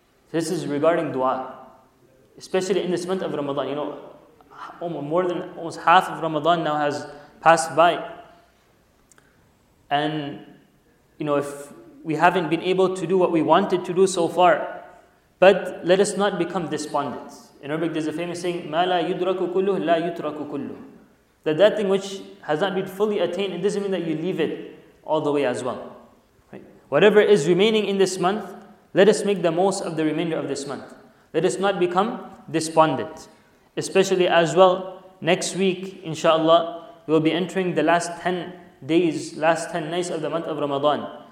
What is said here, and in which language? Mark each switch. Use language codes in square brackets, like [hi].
[en] This is regarding dua, especially in this month of Ramadan. You know, more than almost half of Ramadan now has passed by. And, you know, if we haven't been able to do what we wanted to do so far, but let us not become despondent. In Arabic, there's a famous saying, [ar] مَا لَا يُدْرَكُ كُلُّهُ لَا يُتْرَكُ كُلُّهُ. [en] That thing which has not been fully attained, it doesn't mean that you leave it all the way as well. Right? Whatever is remaining in this month, let us make the most of the remainder of this month. Let us not become despondent. Especially as well, next week, inshallah, we will be entering the last 10 nights of the month of Ramadan.